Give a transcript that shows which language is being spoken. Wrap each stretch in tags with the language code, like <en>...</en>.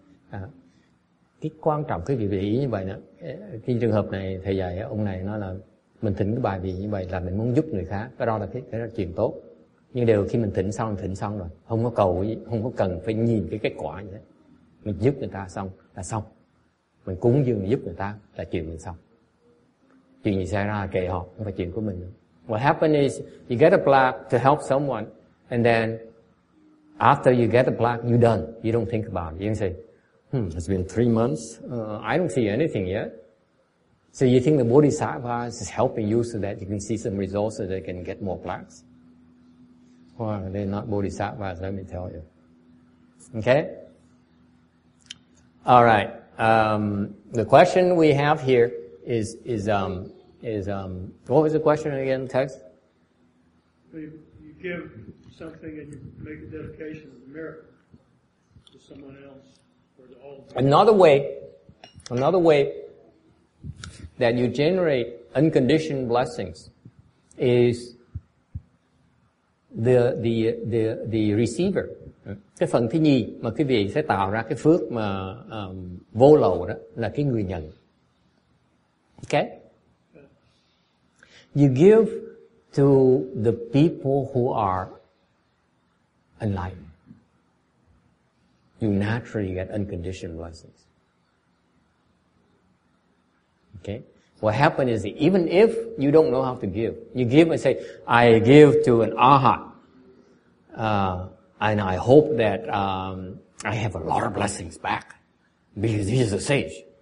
<vi>À, cái quan trọng cái vị ý như vậy đó, cái trường hợp này thầy dạy ông này nói là mình thỉnh cái bài vị như vậy là mình muốn giúp người khác, cái đó là cái chuyện tốt. Nhưng đều khi mình thỉnh xong rồi, không có cầu, không có cần phải nhìn cái kết quả gì hết. Mình giúp người ta xong là xong. Mình cúng dường giúp người ta là chuyện mình xong. Chuyện gì xảy ra là kệ họ, không phải chuyện của mình nữa.</vi> <en>What happened is you get a plaque to help someone and then after you get the plaque, you're done. You don't think about it. You can say, it's been 3 months. I don't see anything yet. So you think the bodhisattva is helping you so that you can see some results so they can get more plaques? Well, they're not bodhisattvas, let me tell you. Okay? All right. The question we have here is what was the question again, text? You give something and you make a dedication of the merit to someone else for the altar. Another way that you generate unconditioned blessings is the receiver.</en> <vi>Cái phần thứ nhì mà quý vị sẽ tạo ra cái phước mà vô lậu đó là cái người nhận.</vi> <en>Okay? You give to the people who are enlightened. You naturally get unconditioned blessings. Okay? What happens is even if you don't know how to give, you give and say, I give to an arhat, and I hope that I have a lot of blessings back because he is a sage.</en>